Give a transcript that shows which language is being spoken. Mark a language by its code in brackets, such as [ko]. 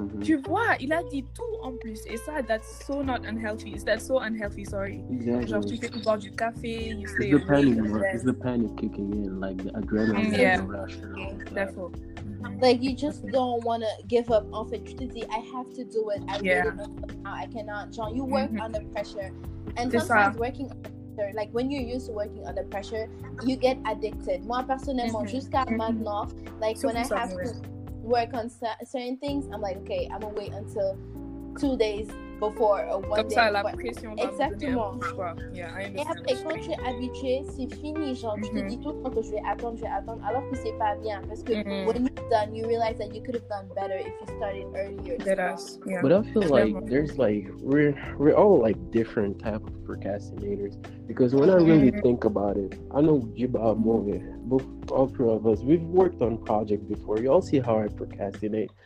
[fr] Tu vois, il a dit tout en plus. Et ça, [en] that's so unhealthy. Exactly. [fr] Genre, tu fais tout boire du café, [en] it's the panic, it's the panic kicking in, like the adrenaline and the rush. Therefore. Like, you just don't want to give up. [fr] En fait, tu te dis, [en] I have to do it. I cannot. Genre, you work under pressure. And c'est sometimes ça. Working under pressure, like when you're used to working under pressure, you get addicted. [fr] Moi, personnellement, jusqu'à maintenant, [en] like when I have to work on certain things, I'm like, okay, I'm gonna wait until 2 days before or one [fr] comme [en] day. [fr] Ça, la pression exactement. [en] Yeah, I [fr] understand. Et après, quand tu es habitué, c'est fini. Genre, tu te dis tout le temps que je vais attendre, alors que c'est pas bien. Parce que [en] when you're done, you realize that you could have done better if you started earlier. But I feel like there's like, we're all like different type of procrastinators. Because when I really think about it, I know Jiba Moge. Both, all three of us, we've worked on projects before. Y'all see how I procrastinate.